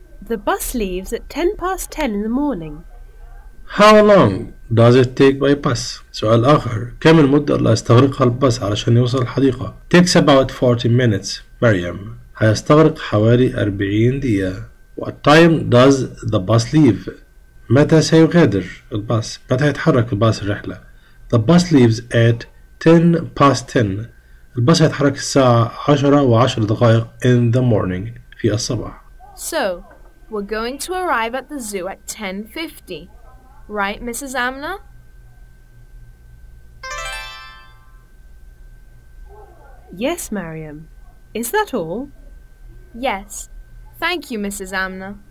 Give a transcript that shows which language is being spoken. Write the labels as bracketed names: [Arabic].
[English] The bus leaves at 10 past 10 in the morning. How long does it take by bus? [Arabic] سؤال آخر، كم المدة اللي يستغرقها الباص علشان يوصل الحديقة؟ [English] Takes about 40 minutes, Mariam. [Arabic] هيستغرق حوالي 40 دقيقة. [English] What time does the bus leave? [Arabic] متى سيغادر الباص؟ متى يتحرك الباص الرحلة؟ [English] The bus leaves at 10 past 10. [Arabic] الباص يتحرك الساعة 10 و10 دقائق [English] in the morning [Arabic] في الصباح. [English] So, we're going to arrive at the zoo at 10:50. Right, Mrs. Amna? Yes, Mariam. Is that all? Yes. Thank you, Mrs. Amna.